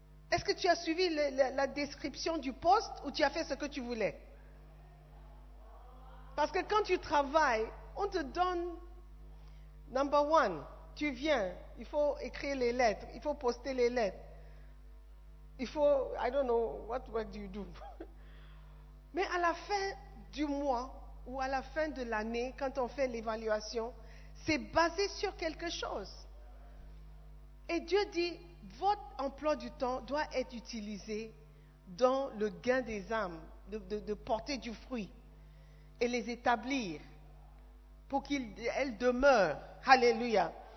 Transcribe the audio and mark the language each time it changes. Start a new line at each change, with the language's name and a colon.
French: Est-ce que tu as suivi la description du poste ou tu as fait ce que tu voulais? Parce que quand tu travailles, on te donne
English: number one.
French: Tu viens, il faut écrire les lettres, il faut poster les lettres. Il faut,
English: I don't know, what work do you do?
French: Mais à la fin du mois ou à la fin de l'année, quand on fait l'évaluation, c'est basé sur quelque chose. Et Dieu dit, votre emploi du temps doit être utilisé dans le gain des âmes, de porter du fruit et les établir pour qu'elles demeurent. Alléluia.